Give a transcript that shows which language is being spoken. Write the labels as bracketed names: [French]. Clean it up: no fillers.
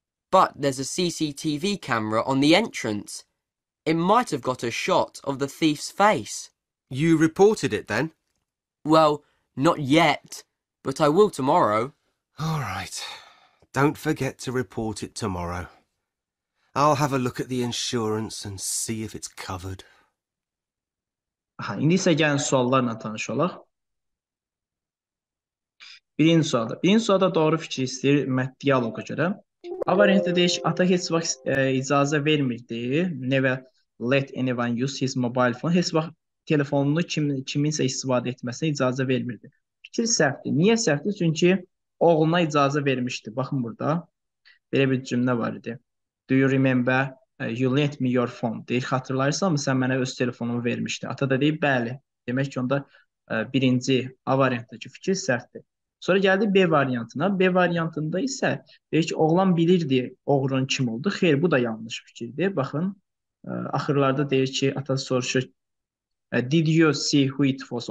[English] But there's a CCTV camera on the entrance. It might have got a shot of the thief's face. You reported it then? Well, not yet. But I will tomorrow. All right. Don't forget to report it tomorrow. I'll have a look at the insurance and see if it's covered. [Azerbaijani] Aha, indi isə gəlin suallarla tanış olaq. Birinci sualda. Birinci sualda doğru fikir istəyir mətn dialoqa görə. A variantda deyir ki, ata heç vaxt icazə vermir deyir. [English] Never let anyone use his mobile phone. [Azerbaijani] Heç vaxt telefonunu kiminsə istifadə etməsinə icazə vermirdi. Fikir səhvdir. Niyə səhvdir? Çünki oğluna icazə vermişdi. Baxın burada. Belə bir cümlə var idi. [English] Do you remember you lent me your phone? [Azerbaijani] Deyir, xatırlayırsan mı sən mənə öz telefonumu vermişdi? Ata da deyir, bəli. Demək ki, onda birinci A variantdakı fikir səhvdir. Sonra gəldi B variantına. B variantında isə deyir ki, oğlan bilirdi oğrun kim oldu. Xeyr, bu da yanlış fikirdir. Baxın, axırlarda deyir ki, ata soruşur, [English] Did you see who it was?